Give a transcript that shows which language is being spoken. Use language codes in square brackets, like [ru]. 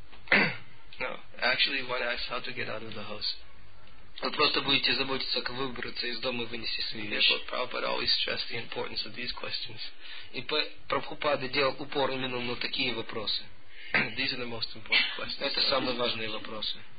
[en] No, actually one asks how to get out of the house. [ru] Вы просто будете заботиться, как выбраться из дома и вынести свои вещи. [en] But Prabhupada always stressed the importance of these questions. [ru] И Прабхупада делал упор именно на такие вопросы. [en] These are the most important questions. [ru] Это самые важные вопросы.